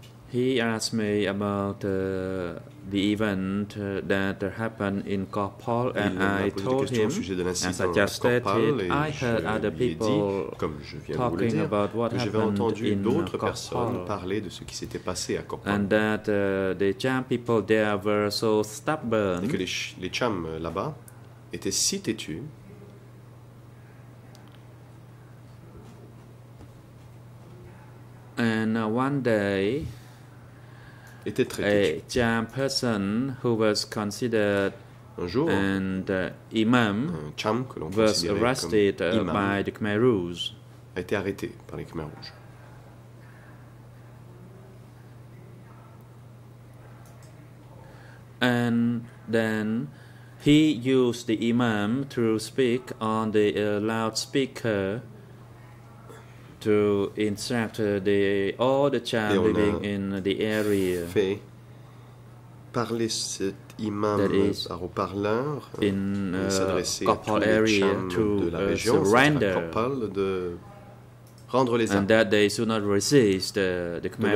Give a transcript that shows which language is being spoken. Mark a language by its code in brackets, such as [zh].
[en] He asked me about the event that happened in Kopal, and I told him, as I just stated, I heard other people talking about what happened in Kopal, and that the Cham people there were so stubborn, [fr] et que les Cham là-bas étaient si têtus, [en] and one day a Cham person who was considered imam was arrested by the Khmer Rouge. [fr] A été arrêté par les Khmer Rouges. [en] And then he used the imam to speak on the loudspeaker to instruct all the Cham living in the area. [fr] Parler cet imam par haut-parleur [en] in, [fr] s'adresser à tous les Cham de la région, c'est-à-dire Kopal, de rendre les armes. [en] And that they should not resist the Khmer